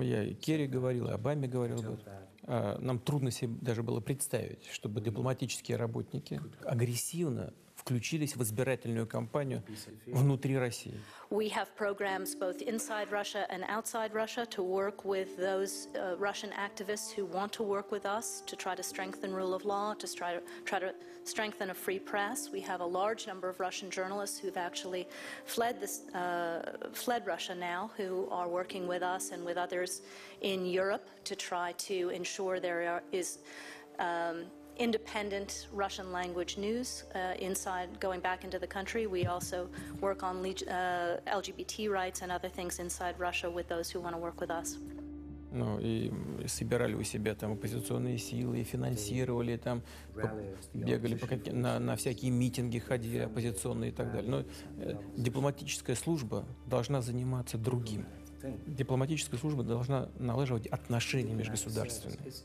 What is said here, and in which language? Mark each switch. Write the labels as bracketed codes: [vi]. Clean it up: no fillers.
[ru] Я и Керри говорил, и Обаме говорил об этом. Нам трудно себе даже было представить, чтобы дипломатические работники агрессивно включились в избирательную кампанию внутри России. [en] We have programs both inside Russia and outside Russia to work with those Russian activists who want to work with us to try to strengthen rule of law, to try to strengthen a free press. We have a large number of Russian journalists who've actually fled Russia now, who are working with us and with others in Europe to try to ensure independent Russian language news inside, going back into the country. We also work on LGBT rights and other things inside Russia with those who want to work with us. [ru] Ну и собирали у себя там оппозиционные силы, финансировали там, бегали на всякие митинги, ходили оппозиционные и так далее. Но дипломатическая служба должна заниматься другим. Дипломатическая служба должна налаживать отношения межгосударственные.